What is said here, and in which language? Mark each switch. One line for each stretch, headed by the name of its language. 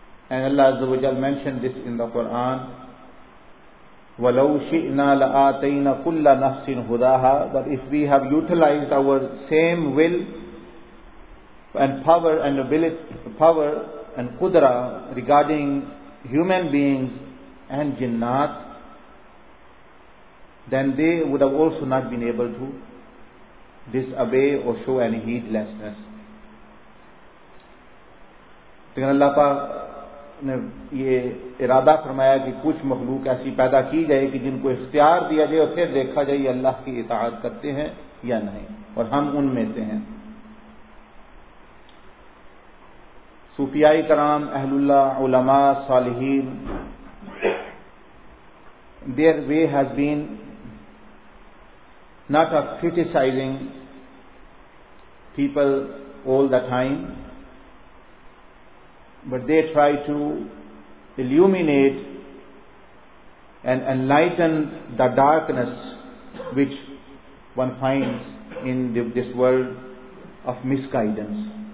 English: And Allah Azza wa Jal mentioned this in the Quran,
Arabic: وَلَوْ شِئْنَا لَآتَيْنَا كُلَّ نَفْسٍ هُدَاهَا,
English: but if we have utilized our same will and power and ability, power and qudra regarding human beings and jinnat, then they would have also not been able to disobey or show any heedlessness.
Urdu: لیکن اللہ پاک نے یہ ارادہ فرمایا کہ کچھ مخلوق ایسی پیدا کی جائے کہ جن کو اختیار دیا جائے اور پھر دیکھا جائے یہ اللہ کی اطاعت کرتے ہیں یا نہیں, اور ہم ان میں سے ہیں. صوفیاء کرام, اہل اللہ, علماء, صالحین,
English: their way has been not of criticizing people all the time, but they try to illuminate and enlighten the darkness which one finds in this world of misguidance.